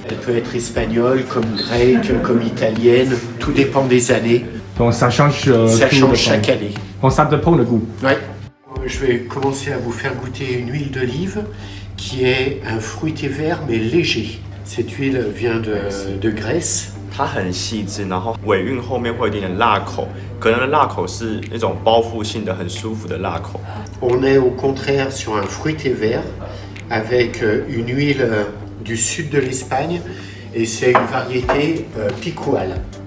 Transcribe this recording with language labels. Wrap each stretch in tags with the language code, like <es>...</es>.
<fr>Elle peut être espagnole, comme grecque, comme italienne. Tout dépend des années. Donc ça change, ça change chaque année. Bon, ça dépend le goût. Ouais. Je vais commencer à vous faire goûter une huile d'olive qui est un fruité vert mais léger. Cette huile vient de Grèce.</fr> <zh>它很细致，然后尾韵后面会有点辣口，可能辣口是那种包覆性的很舒服的辣口。</zh> <fr>On est au contraire sur un fruité vert avec une huile du sud de l'Espagne et c'est une variété picual.</fr>